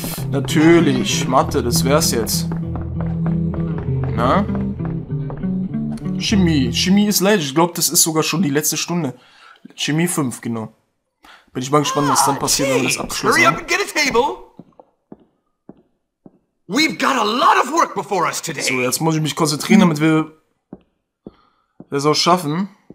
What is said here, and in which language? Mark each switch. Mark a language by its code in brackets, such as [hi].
[de] Natürlich, Mathe, das wär's jetzt. Na? Chemie ist leid. Ich glaube, das ist sogar schon die letzte Stunde. Chemie 5, genau. Bin ich mal gespannt, was dann passiert, wenn wir das abschließen. [en] Hurry up and get a table. We've got a lot of work before us today. [de] So, jetzt muss ich mich konzentrieren, damit wir das auch schaffen.